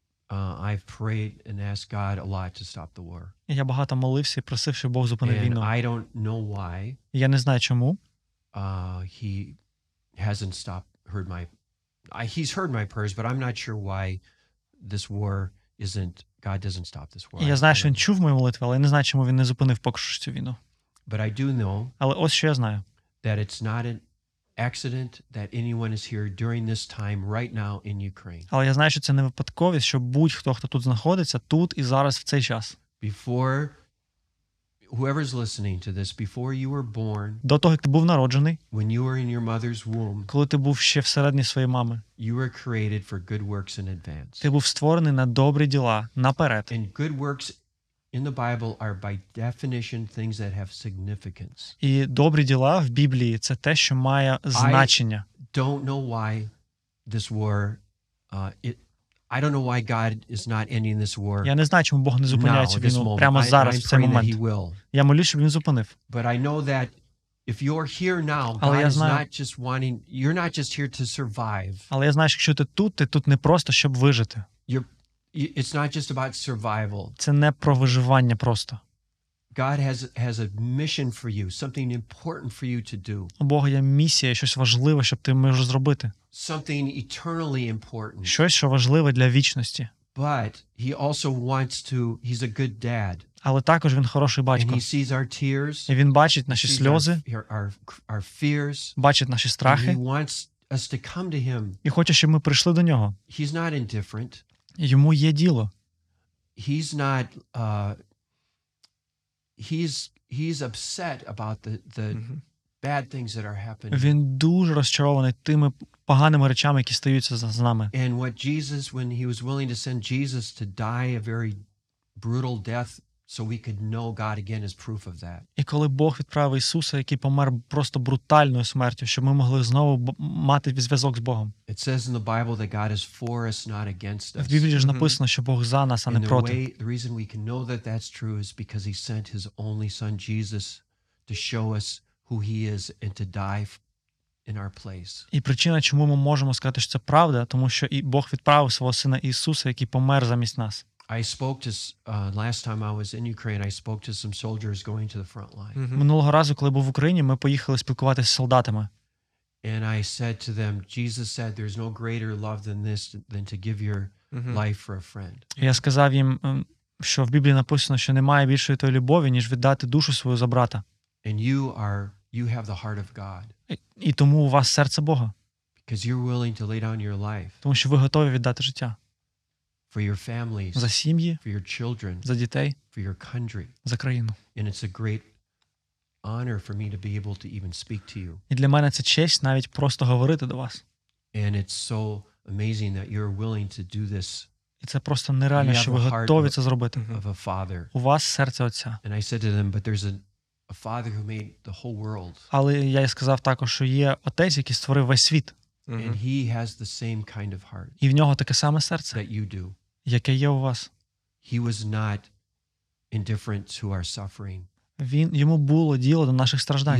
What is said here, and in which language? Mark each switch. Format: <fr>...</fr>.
<en>I've prayed and asked God a lot to stop the war.</en> <uk>Я багато молився і просив, щоб Бог зупинив війну.</uk> <en>And I don't know why.</en> <uk>Я не знаю чому.</uk> <en>He hasn't heard my he's heard my prayers, but I'm not sure why this war isn't God doesn't stop this war.</en> <uk>Я знаю, що він чув мою молитву, але я не знаю, чому він не зупинив поки що цю війну.</uk> <en>But I do know.</en> <uk>Але ось що я знаю.</uk> <en>That it's not an accident that anyone is here during this time right now in Ukraine.</en> <uk>Але я знаю, що це не випадковість, що будь-хто, хто тут знаходиться, тут і зараз в цей час.</uk> <en>Before whoever's listening to this, before you were born,</en> <uk>до того, як ти був народжений,</uk> <en>when you were in your mother's womb,</en> <uk>коли ти був ще всередині своєї мами,</uk> <en>you were created for good works in advance.</en> <uk>Ти був створений на добрі діла наперед.</uk> <en>And good works in the Bible are by definition things that have significance.</en> <uk>І добрі діла в Біблії це те, що має значення.</uk> <en>I don't know why this war I don't know why God is not ending this war.</en> <uk>Я не знаю, чому Бог не зупиняє цю війну прямо зараз, в цей момент. Я молюсь, щоб він зупинив.</uk> <en>But I know that if you're here now, God is not just wanting, you're not just here to survive.</en> <uk>Але я знаю, що якщо ти тут не просто, щоб вижити.</uk> <en>It's not just about survival.</en> <uk>Це не про виживання просто.</uk> <en>God has a mission for you, something important for you to do.</en> <uk>У Бога є місія, щось важливе, щоб ти міг зробити.</uk> <en>Something eternally important.</en> <uk>Щось, що важливе для вічності.</uk> <en>But he also wants to, he's a good dad.</en> <uk>Але також він хороший батько.</uk> <en>And he sees our tears.</en> <uk>І він бачить наші сльози.</uk> <en>Our fears.</en> <uk>Бачить наші страхи.</uk> <en>And he wants us to come to him.</en> <uk>І хоче, щоб ми прийшли до нього.</uk> <en>He's not indifferent.</en> <uk>Йому є діло.</uk> <en>He's not he's upset about the bad things that are happening.</en> <uk>Він дуже розчарований тими поганими речами, які стаються з нами.</uk> <en>And what Jesus, when he was willing to send Jesus to die a very brutal death so we could know God again is proof of that.</en> <uk>І коли Бог відправив Ісуса, який помер просто брутальною смертю, щоб ми могли знову мати зв'язок з Богом.</uk> <en>It says in the Bible that God is for us, not against us.</en> <uk>В Біблії ж написано, що Бог за нас, а не проти.</uk> <en>The reason we can know that that's true is because he sent his only son Jesus to show us who he is and to die in our place.</en> <uk>І причина, чому ми можемо сказати, що це правда, тому що і Бог відправив свого сина Ісуса, який помер замість нас.</uk> <en>I spoke to last time I was in Ukraine, I spoke to some soldiers going to the front line.</en> <uk>Минулого разу, коли був в Україні, ми поїхали спілкуватися з солдатами.</uk> <en>And I said to them, Jesus said there's no greater love than this than to give your life for a friend.</en> <uk>Я сказав їм, що в Біблії написано, що немає більшої тої любові, ніж віддати душу свою за брата.</uk> <en>And you have the heart of God.</en> <uk>І тому у вас серце Бога.</uk> <en>Because you're willing to lay down your life.</en> <uk>Тому що ви готові віддати життя.</uk> <en>For your families.</en> <uk>За сім'ї.</uk> <en>For your children.</en> <uk>За дітей.</uk> <en>For your country.</en> <uk>За країну.</uk> <en>And it's a great honor for me to be able to even speak to you.</en> <uk>І для мене це честь навіть просто говорити до вас.</uk> <en>And it's so amazing that you're willing to do this.</en> <uk>І це просто нереально, що ви готові це зробити.</uk> <en>Of a father.</en> <uk>У вас серце отця.</uk> <en>And I said to them, but there's a father who made the whole world.</en> <uk>Але я й сказав також, що є отець, який створив весь світ.</uk> <en>And he has the same kind of heart.</en> <uk>І в нього таке саме серце.</uk> <en>That you do.</en> <uk>Яке є у вас.</uk> <en>He was not indifferent to our suffering.</en> <uk>Він йому було діло до наших страждань.</uk>